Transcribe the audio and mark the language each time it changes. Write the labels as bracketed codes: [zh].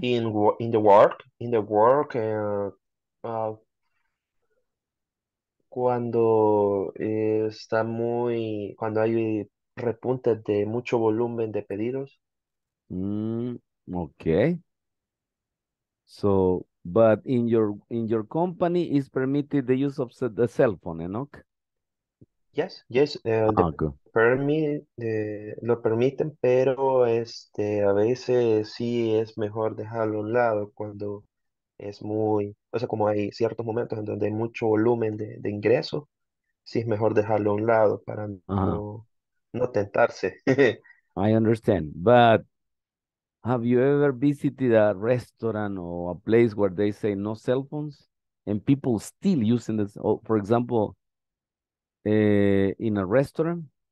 [en] In the work, [es] cuando está muy, cuando hay repuntes de mucho volumen de pedidos. [en] Okay. So, but in your company is permitted the use of the cell phone, Enoch? Yes. [es] Lo permiten, pero a veces sí es mejor dejarlo a un lado cuando es muy, o sea, como hay ciertos momentos en donde hay mucho volumen de ingreso, sí es mejor dejarlo a un lado para no tentarse. [en] I understand, but have you ever visited a restaurant or a place where they say no cell phones and people still using this? Oh, for example, in a restaurant?